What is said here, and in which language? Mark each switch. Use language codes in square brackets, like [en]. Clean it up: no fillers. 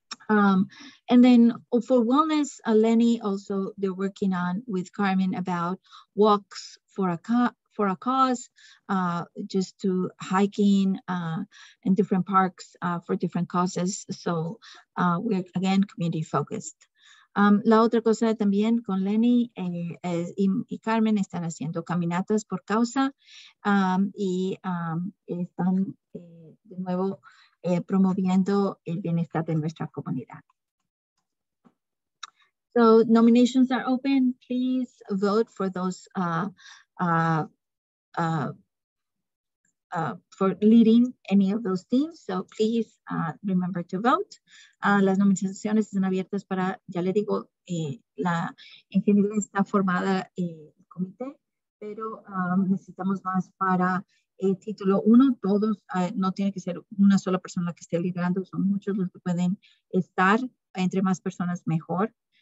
[en] And then for wellness, Lenny also, they're working on with Carmen about walks for a cause, just to hiking in different parks for different causes. So we're again community focused. [es] La otra cosa también con Lenny y Carmen están haciendo caminatas por causa están de nuevo promoviendo el bienestar de nuestra comunidad. [en] So nominations are open. Please vote for those for leading any of those teams. So please remember to vote. [es] Las nominaciones están abiertas para, ya le digo, la ingeniería está formada el comité, pero necesitamos más para el título uno. Todos, no tiene que ser una sola persona la que esté liderando, son muchos los que pueden estar, entre más personas mejor.